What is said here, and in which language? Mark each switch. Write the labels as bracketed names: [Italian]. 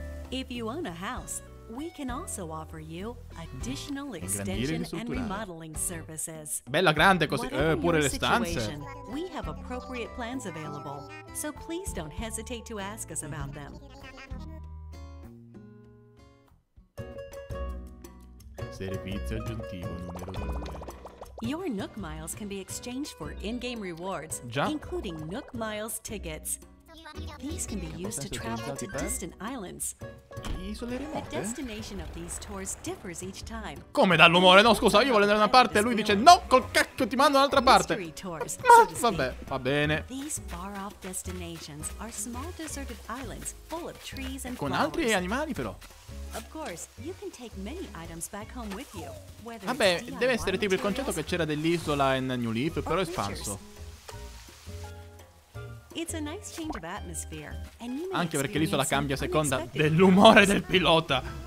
[English] If you own a house, we can also offer you additional extension and remodeling services. [Italian] Bella grande così, pure le stanze. [English] We have appropriate plans available, so please don't hesitate to ask us about them. [Italian] Servizio aggiuntivo numero 2. [English] Your Nook Miles can be exchanged for in-game rewards, including Nook Miles tickets. These can be used to travel to distant islands. The destination of these tours differs each time. [Italian] Come dall'umore, no, scusa, io voglio andare da una parte e lui dice no, col cacchio ti mando un'altra parte. Ma vabbè, va bene. [English] These far off destinations are small deserted islands full of trees and [Italian] con altri animali però. [English] Of course, you can take many items back home with you. [Italian] Vabbè, deve essere tipo il concetto che c'era dell'isola in New Leaf, però è espanso. [English] It's a nice change of atmosphere, and you [Italian] anche perché l'isola cambia a seconda dell'umore del pilota.